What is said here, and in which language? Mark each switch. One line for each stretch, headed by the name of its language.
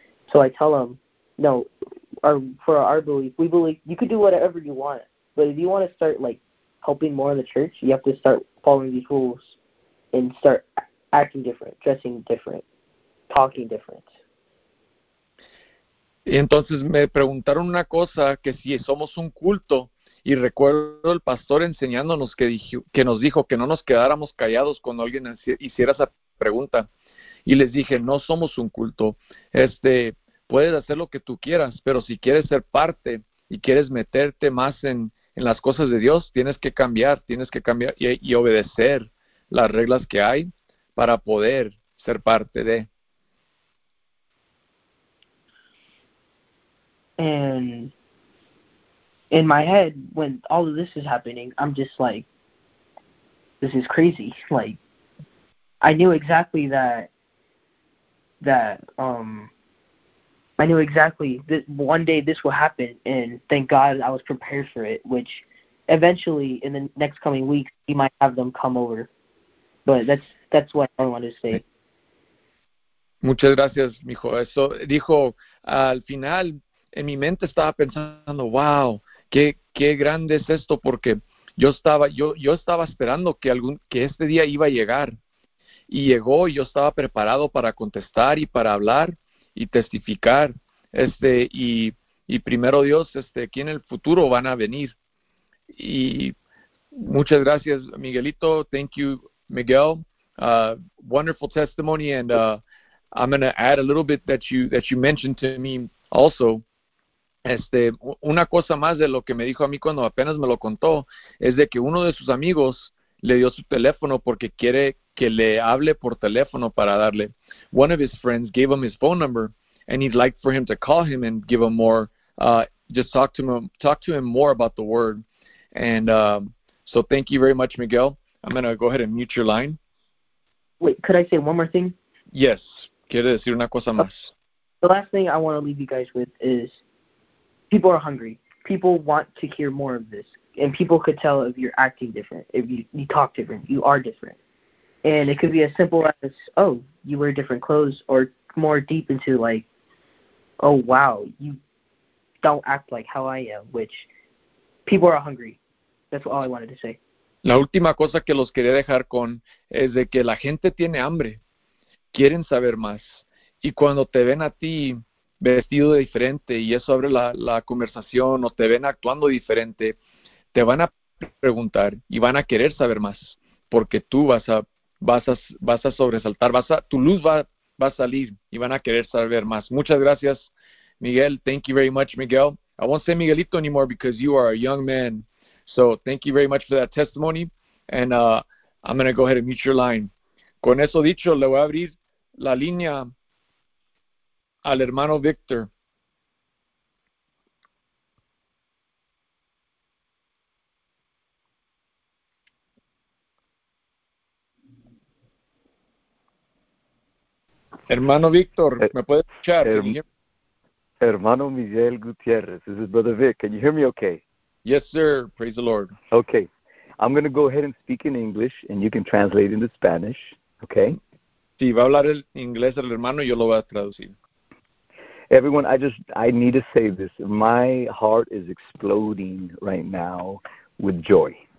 English: So I tell them, no, for our belief, we believe you could do whatever you want, but if you want to start like helping more in the church, you have to start following these rules and start acting different, dressing different, talking different.
Spanish: Y entonces me preguntaron una cosa, que si somos un culto, y recuerdo el pastor enseñándonos que nos dijo que no nos quedáramos callados cuando alguien hiciera esa pregunta. Y les dije, no somos un culto. Puedes hacer lo que tú quieras, pero si quieres ser parte y quieres meterte más en las cosas de Dios, tienes que cambiar y obedecer las reglas que hay para poder ser parte de.
English: And in my head, when all of this is happening, I'm just like, this is crazy. Like, I knew exactly that one day this will happen, and thank God I was prepared for it, which eventually, in the next coming weeks, we might have them come over. But that's what I wanted to say.
Spanish: Muchas gracias, mijo. Eso dijo, al final, en mi mente estaba pensando, wow, qué grande es esto, porque yo estaba esperando que este día iba a llegar. Y llegó y yo estaba preparado para contestar y para hablar y testificar. Y primero Dios, aquí en el futuro van a venir. Y Muchas gracias, Miguelito.
English: Thank you, Miguel. Wonderful testimony, and I'm going to add a little bit that you mentioned to me also.
Spanish: Una cosa más de lo que me dijo a mí cuando apenas me lo contó es de que uno de sus amigos le dio su teléfono porque quiere que le hable por teléfono para darle.
English: One of his friends gave him his phone number, and he'd like for him to call him and give him more, just talk to him more about the word. And so thank you very much, Miguel. I'm going to go ahead and mute your line. Wait, could I say one more thing?
Spanish: Yes. Quiero decir una cosa más.
English: The last thing I want to leave you guys with is people are hungry. People want to hear more of this. And people could tell if you're acting different, if you talk different, you are different. And it could be as simple as, oh, you wear different clothes, or more deep into like, oh, wow, you don't act like how I am, which people are hungry. That's all I wanted to say.
Spanish: La última cosa que los quería dejar con es de que la gente tiene hambre. Quieren saber más. Y cuando te ven a ti vestido de diferente y eso abre la conversación o te ven actuando diferente, te van a preguntar y van a querer saber más. Porque tú vas a sobresaltar, tu luz va a salir y van a querer saber más. Muchas gracias, Miguel.
English: Thank you very much, Miguel. I won't say Miguelito anymore because you are a young man. So thank you very much for that testimony, and I'm going to go ahead and mute your line.
Spanish: Con eso dicho, le voy a abrir la línea al hermano Victor. Hermano Victor, ¿me puede escuchar?
English: Hermano Miguel Gutierrez, this is Brother Vic. Can you hear me okay? Yes, sir. Praise the Lord. Okay. I'm going to go ahead and speak in English, and you can translate into Spanish. Okay?
Spanish: Sí, va a hablar el inglés el hermano, y yo lo voy a traducir.
English: Everyone, I need to say this. My heart is exploding right now with joy.